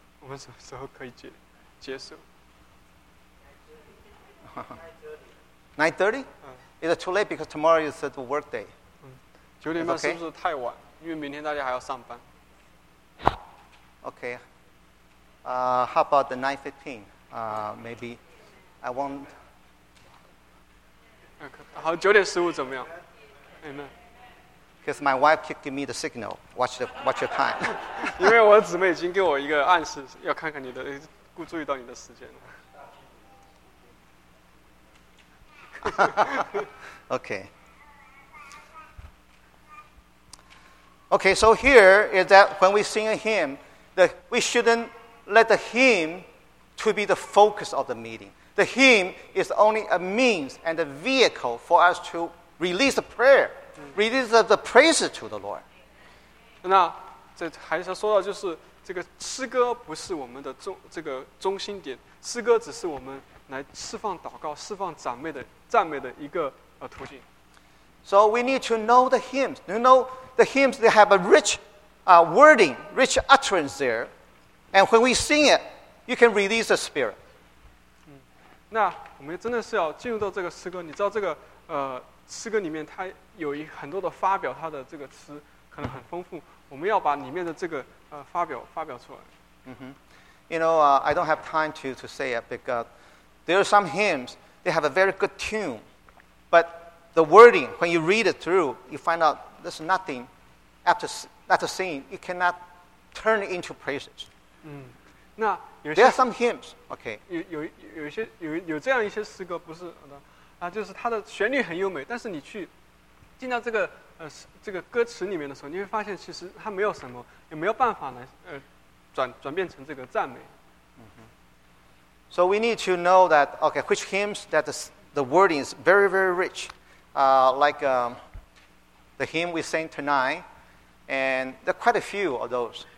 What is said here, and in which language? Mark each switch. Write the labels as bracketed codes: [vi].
[zh] 我们什么时候可以结束？ [en] 9:30? Is it too late because tomorrow is the work day? [zh] 九点半是不是太晚？因为明天大家还要上班。 [en] Okay. How about the 9:15? Maybe I won't. [zh] 好，九点十五怎么样？Amen. [en] Because my wife keep giving me the signal. Watch your time. [zh] 因为我的姊妹已经给我一个暗示，要看看你的，注意到你的时间了。 [en] Okay. Okay. So here is that when we sing a hymn, that we shouldn't let the hymn to be the focus of the meeting. The hymn is only a means and a vehicle for us to release the prayer, release the praises to the Lord. [zh] 那这还是说到就是这个诗歌不是我们的中心点，诗歌只是我们来释放祷告、释放赞美的一个途径。 [en] So we need to know the hymns. You know, the hymns, they have a rich wording, rich utterance there. And when we sing it,You can release the spirit. [zh] 那我们真的是要进入到这个诗歌。你知道这个诗歌里面它有很多的发表，它的这个词可能很丰富。我们要把里面的这个发表出来。 [en] You know, I don't have time to say it because there are some hymns they have a very good tune, but the wording when you read it through, you find out there's nothing after singing. It cannot turn into praises. [zh] 那 [en] There are some hymns, okay. [zh] 有这样一些诗歌，不是，啊，就是它的旋律很优美，但是你去进到这个这个歌词里面的时候，你会发现其实它没有什么，也没有办法来转变成这个赞美。 [en] So we need to know that, okay, which hymns that the wording is very, very rich. Like the hymn we sang tonight, and there are quite a few of those.